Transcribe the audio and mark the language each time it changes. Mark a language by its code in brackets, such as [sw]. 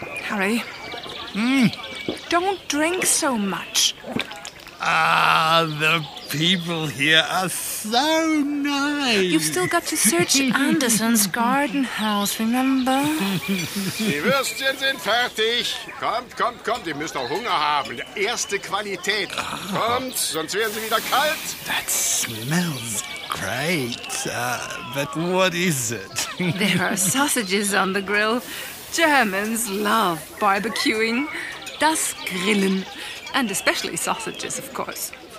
[en] Harry, don't drink so much. Ah, the people here are so nice. You've still got to search Anderson's garden house, remember? [de] Die Würstchen sind fertig. Kommt, ihr müsst auch Hunger haben. Erste Qualität. Kommt, sonst werden sie wieder kalt. [en] That smells great, but what is it? There are sausages on the grill. Germans love barbecuing. [de] Das Grillen. [en] And especially sausages, of course.